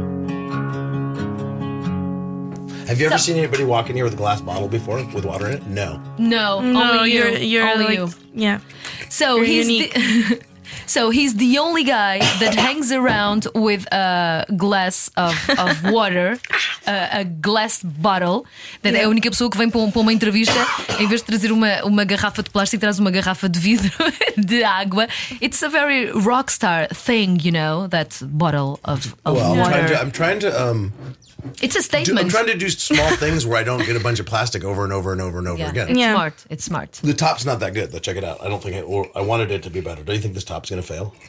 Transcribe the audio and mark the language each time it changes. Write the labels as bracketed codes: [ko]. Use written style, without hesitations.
[en] Have you ever seen anybody walk in here with a glass bottle before with water in it? No. No, only you. You're only like, you. Yeah. So you're he's unique. So he's the only guy that hangs around with a glass of water, a glass bottle. [pt] That é a única pessoa que vem para uma entrevista. Em vez de trazer uma garrafa de plástico, traz uma garrafa de vidro de água. [en] It's a very rock star thing, you know, that bottle of water. It's a statement. I'm trying to do small things where I don't get a bunch of plastic over and over and over and over again. It's smart. The top's not that good, though. Check it out. I don't think I wanted it to be better. Don't you think this top's going to fail?